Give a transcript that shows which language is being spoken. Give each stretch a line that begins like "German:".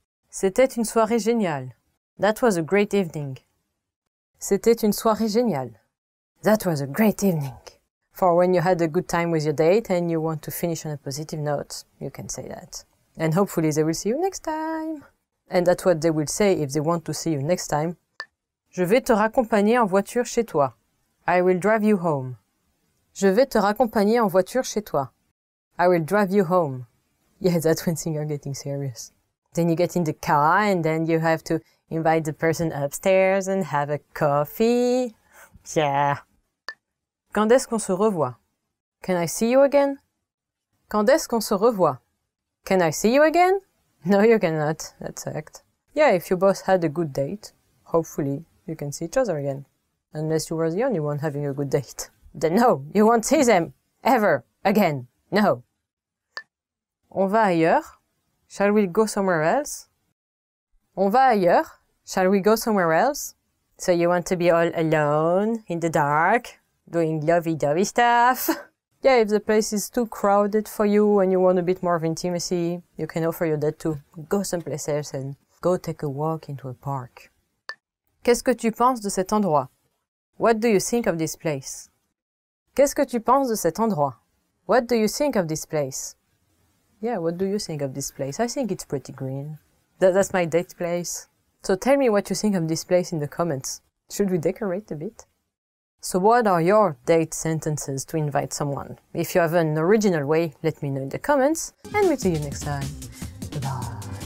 French: C'était une soirée géniale.
English: That was a great evening.
French: C'était une soirée géniale.
English: That was a great evening. For when you had a good time with your date and you want to finish on a positive note, you can say that. And hopefully they will see you next time. And that's what they will say if they want to see you next time.
French: Je vais te raccompagner en voiture chez toi.
English: I will drive you home.
French: Je vais te raccompagner en voiture chez toi.
English: I will drive you home. Yeah, that's when things are getting serious. Then you get in the car and then you have to invite the person upstairs and have a coffee. Yeah.
French: Quand est-ce qu'on se revoit?
English: Can I see you again?
French: Quand est-ce qu'on se revoit?
English: Can I see you again? No, you cannot. That's fact. Yeah, if you both had a good date, hopefully you can see each other again. Unless you were the only one having a good date. Then no, you won't see them. Ever. Again. No.
French: On va ailleurs?
English: Shall we go somewhere else?
French: On va ailleurs?
English: Shall we go somewhere else? So you want to be all alone, in the dark, doing lovey-dovey stuff? Yeah, if the place is too crowded for you and you want a bit more of intimacy, you can offer your dad to go someplace else and go take a walk into a park.
French: Qu'est-ce que tu penses de cet endroit?
English: What do you think of this place?
French: Qu'est-ce que tu penses de cet endroit?
English: What do you think of this place? Yeah, what do you think of this place? I think it's pretty green. That's my date place. So tell me what you think of this place in the comments. Should we decorate a bit? So what are your date sentences to invite someone? If you have an original way, let me know in the comments. And we'll see you next time. Bye-bye.